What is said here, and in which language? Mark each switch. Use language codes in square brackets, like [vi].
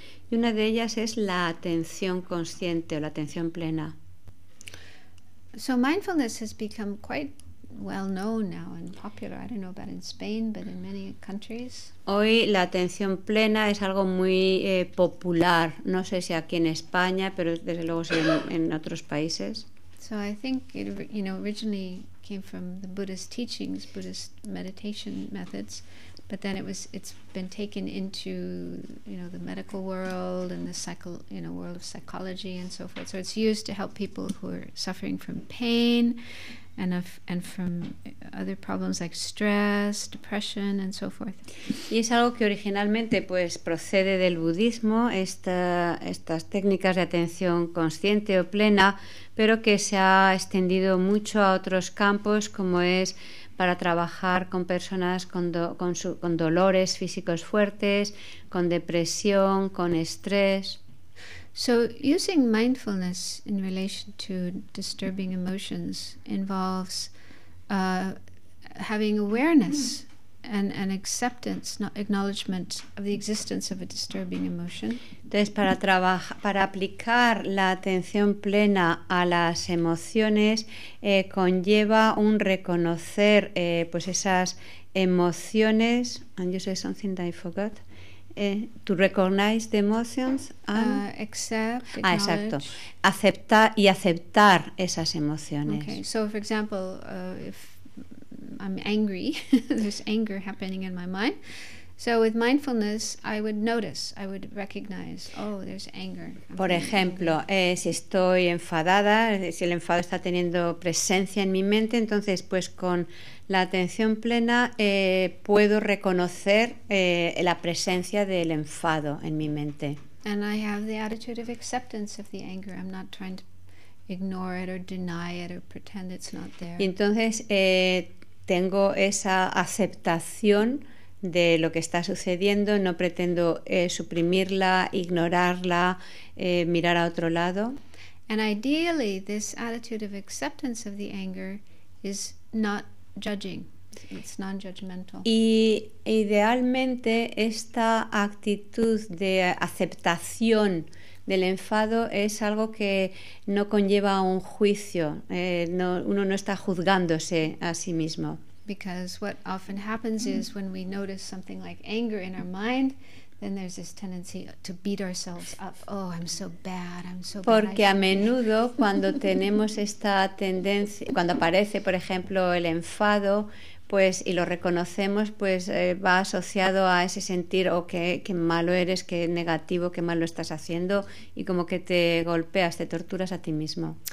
[es] Y una de ellas es la atención consciente o la atención plena. [en] So mindfulness has become quite well known now and popular. I don't know about in Spain, but in many countries. [es] Hoy la atención plena es algo muy popular. No sé si aquí en España, pero desde luego sí en otros países. [en] So I think it, you know, originally came from the Buddhist teachings, Buddhist meditation methods, but then it's been taken into, you know, the medical world and the world of psychology and so forth. So it's used to help people who are suffering from pain and from other problems like stress, depression and so forth. [es] Y es algo que originalmente pues procede del budismo, estas técnicas de atención consciente o plena, pero que se ha extendido mucho a otros campos como es para trabajar con personas con dolores físicos fuertes, con depresión, con estrés. [en] So using mindfulness in relation to disturbing emotions involves having awareness and acceptance, not acknowledgement of the existence of a disturbing emotion. [es] Entonces, para aplicar la atención plena a las emociones conlleva un reconocer pues esas emociones. [en] And you say something that I forgot. To recognize the emotions and [es] exacto. aceptar esas emociones. [en] Okay. So for example, if I'm angry, there's anger happening in my mind. So with mindfulness, I would notice, I would recognize, oh, there's anger. [es] Por ejemplo, si estoy enfadada, si el enfado está teniendo presencia en mi mente, entonces pues con la atención plena puedo reconocer la presencia del enfado en mi mente. [en] And I have the attitude of acceptance of the anger. I'm not trying to ignore it or deny it or pretend it's not there. [es] Y entonces tengo esa aceptación de lo que está sucediendo, no pretendo suprimirla, ignorarla, mirar a otro lado. [en] And ideally, this attitude of acceptance of the anger is not judging. It's non-judgmental. [es] Y idealmente esta actitud de aceptación del enfado es algo que no conlleva un juicio. Uno no está juzgándose a sí mismo. [en] Because what often happens is when we notice something like anger in our mind, then there's this tendency to beat ourselves up. Oh, I'm so bad. I'm so bad. [es] Porque a menudo cuando tenemos esta tendencia, cuando aparece, por ejemplo, el enfado, pues y lo reconocemos, pues va asociado a ese sentir qué malo eres, qué negativo, qué malo estás haciendo y como que te golpeas, te torturas a ti mismo.